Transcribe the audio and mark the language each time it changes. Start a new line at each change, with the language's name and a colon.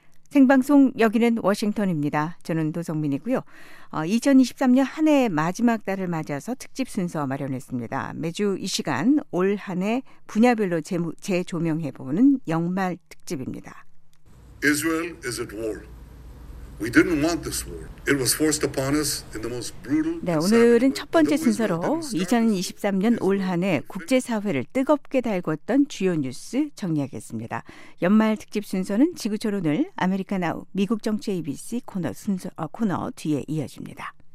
Korean: 생방송 여기는 워싱턴입니다. 저는 도성민이고요. 2023년 한 해의 마지막 달을 맞아서 특집 순서 마련했습니다. 매주 이 시간 올 한 해 분야별로 재조명해보는 연말 특집입니다.
English: Israel is at war. We didn't want this war. It was forced upon us in the most brutal.
Korean: 네, 오늘은 첫 번째 순서로 2023년 올 한 해 국제사회를 뜨겁게 달궜던 주요 뉴스 정리하겠습니다. 연말 특집 순서는 지구촌 오늘 아메리카 나우 미국 정치 ABC 코너 순서 코너 뒤에 이어집니다.